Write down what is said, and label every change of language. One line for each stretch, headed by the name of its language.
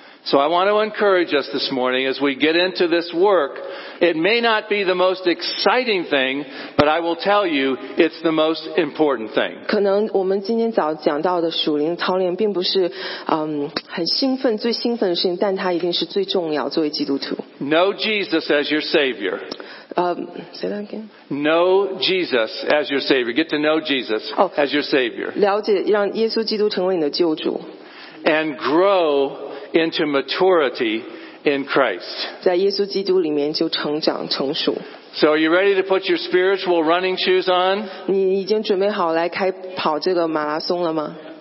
English: So I want to encourage us this morning as we get into this work. It may not be the most exciting thing, but I will tell you, it's the most important thing.
Chinese: 可能我们今天早讲到的属灵操练并不是很兴奋最兴奋的事情，但它一定是最重要。作为基督徒
English: ，Know Jesus as your Savior. Say that again. Know Jesus as your Savior. Get to know Jesus as your Savior.
Chinese: 了解，让耶稣基督成为你的救主。
English: And grow into maturity. In Christ.
Chinese: 在耶稣基督里面就成长成熟。
English: So are you ready to put your spiritual running shoes on?
Chinese: 你已经准备好来开跑这个马拉松了吗？